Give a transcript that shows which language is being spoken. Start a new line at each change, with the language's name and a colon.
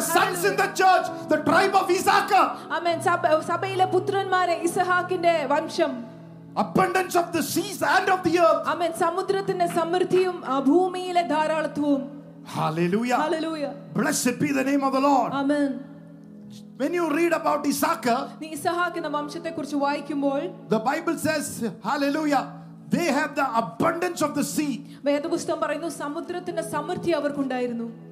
English: Sons in the church, the tribe of Issachar.
Malayalam: Amen. സഭയിലെ പുത്രന്മാരെ, ഇസഹാക്കിന്റെ വംശം.
English: Abundance of the seas and of the earth. Amen.
Malayalam: സമുദ്രത്തിന്റെ സമൃദ്ധിയും ഭൂമിയിലെ ധാരാളത്വവും.
English: Hallelujah. Hallelujah. Blessed be the name of the Lord. Amen. When you read about Issachar,
Malayalam: നീ ഇസഹാക്കിന്റെ വംശത്തെ കുറിച്ച് വായിക്കുമ്പോൾ,
English: the Bible says, hallelujah, they have the abundance of the sea.
Malayalam: വേദപുസ്തകം പറയുന്നു, സമുദ്രത്തിന്റെ സമൃദ്ധി അവർക്കുണ്ടായിരുന്നു.